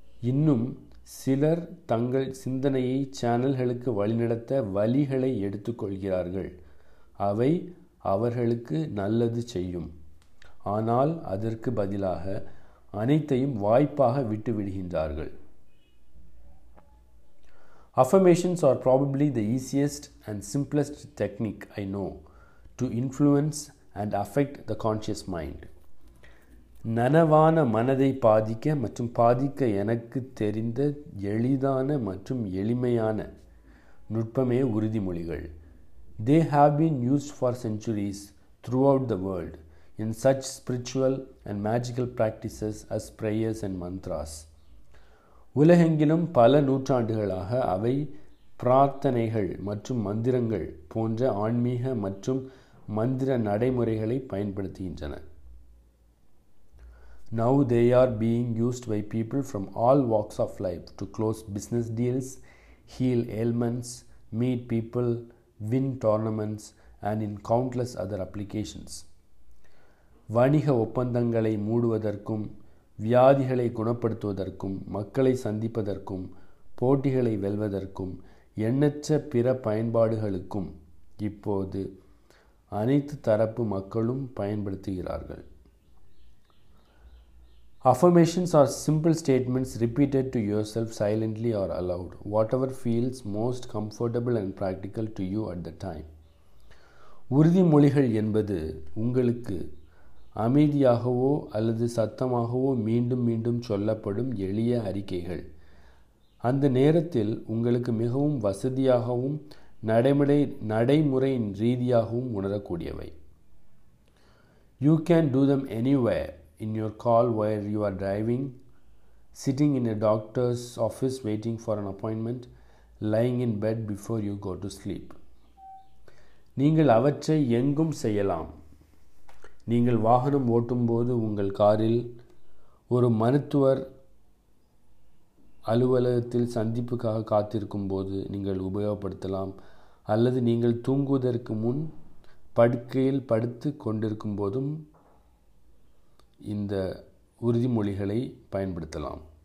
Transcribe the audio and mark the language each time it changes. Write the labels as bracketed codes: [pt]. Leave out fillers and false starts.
[ta] இன்னும் சிலர் தங்கள் சிந்தனையை சேனல்களுக்கு வழிநடத்த வழிகளை எடுத்துக்கொள்கிறார்கள், அவை அவர்களுக்கு நல்லது செய்யும். ஆனால் அதற்கு பதிலாக அனைத்தையும் வாய்ப்பாக விட்டுவிடுகின்றார்கள். [en] Affirmations are probably the easiest and simplest technique I know to influence and affect the conscious mind. [ta] நனவான மனதை பாதிக்க மற்றும் பாதிக்க எனக்கு தெரிந்த எளிதான மற்றும் எளிமையான நுட்பமே உறுதிமொழிகள். [en] They have been used for centuries throughout the world in such spiritual and magical practices as prayers and mantras. [ta] உலகெங்கிலும் பல நூற்றாண்டுகளாக அவை பிரார்த்தனைகள் மற்றும் மந்திரங்கள் போன்ற ஆன்மீக மற்றும் மந்திர நடைமுறைகளை பயன்படுத்துகின்றன. [en] Now they are being used by people from all walks of life to close business deals, heal ailments, meet people, win tournaments and in countless other applications. [ta] வணிக ஒப்பந்தங்களை மூடுவதற்கும், வியாதிகளை குணப்படுத்துவதற்கும், மக்களை சந்திப்பதற்கும், போட்டிகளை வெல்வதற்கும், எண்ணற்ற பிற பயன்பாடுகளுக்கும் இப்போது அனைத்து தரப்பு மக்களும் பயன்படுத்துகிறார்கள். [en] Affirmations are simple statements repeated to yourself silently or aloud, whatever feels most comfortable and practical to you at the time. [ta] உறுதிமொழிகள் என்பது உங்களுக்கு அமைதியாகவோ அல்லது சத்தமாகவோ மீண்டும் மீண்டும் சொல்லப்படும் எளிய அறிக்கைகள். அந்த நேரத்தில் உங்களுக்கு மிகவும் வசதியாகவும் நடைமுறை ரீதியாகவும் உணரக்கூடியவை. [en] You can do them anywhere, in your car while you are driving, sitting in a doctor's office waiting for an appointment, lying in bed before you go to sleep. [ta] நீங்கள் அவற்றை எங்கும் செய்யலாம். நீங்கள் வாகனம் ஓட்டும்போது உங்கள் காரில், ஒரு மருத்துவர் அலுவலகத்தில் சந்திப்புக்காக காத்திருக்கும் போது நீங்கள் உபயோகப்படுத்தலாம், அல்லது நீங்கள் தூங்குவதற்கு முன் படுக்கையில் படுத்து கொண்டிருக்கும் போதும் இந்த உறுதிமொழிகளை பயன்படுத்தலாம்.